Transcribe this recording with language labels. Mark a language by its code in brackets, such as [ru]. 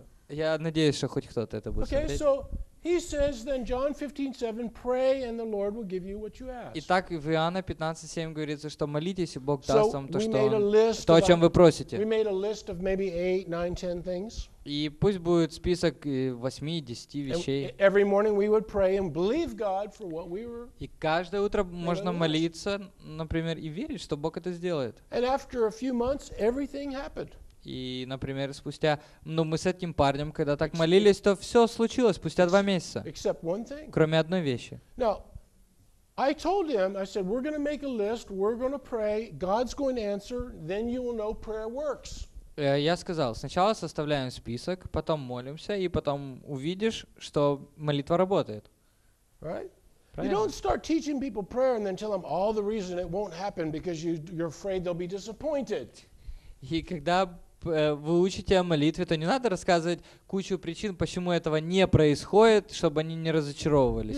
[ru] Я надеюсь, что хоть кто-то это будет смотреть. [en] Okay, so he says then John 15:7, pray and the Lord will give you what you ask. [ru] Итак, в Иоанна 15:7 говорится, что молитесь, и Бог даст вам то, о чем вы просите. [en] We made a list of maybe 8, 9, 10 things. [ru] И пусть будет список 8-10 вещей. [en] Every morning we would pray and believe God for what we were. [ru] И каждое утро можно молиться, например, и верить, что Бог это сделает. [en] And after a few months everything happened. [ru] И, например, спустя, мы с этим парнем, когда так молились, то все случилось спустя 2 месяца. [en] Except one thing. [ru] Кроме одной вещи. [en] Now, I told him, I said, we're going to make a list, we're going to pray, God's going to answer, then you will know prayer works. [ru] Я сказал, сначала составляем список, потом молимся, и потом увидишь, что молитва работает. [en] Right? You don't start teaching people prayer and then tell them all the reason it won't happen because you're afraid they'll be disappointed. И когда вы учите о молитве, то не надо рассказывать кучу причин, почему этого не происходит, чтобы они не разочаровывались.